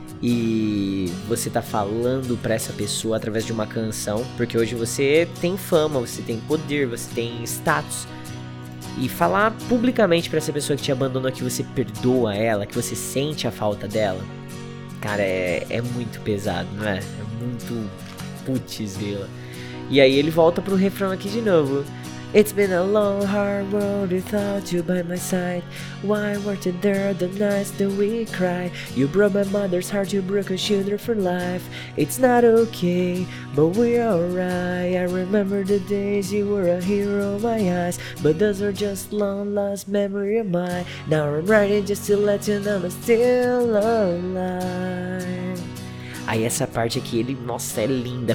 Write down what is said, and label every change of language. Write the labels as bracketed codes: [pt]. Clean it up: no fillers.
[pt] e você tá falando pra essa pessoa através de uma canção, porque hoje você tem fama, você tem poder, você tem status. E falar publicamente pra essa pessoa que te abandonou que você perdoa ela, que você sente a falta dela, cara, é muito pesado, não é? É muito putz, vila. E aí ele volta pro refrão aqui de novo. [en] It's been a long, hard road without you by my side. Why weren't you there the nights that we cry? You broke my mother's heart, you broke her shoulder for life. It's not okay, but we're alright. I remember the days you were a hero in my eyes. But those are just long lost memory of mine. Now I'm writing just to let you know I'm still alive. [pt] Aí essa parte aqui, ele, nossa, é linda.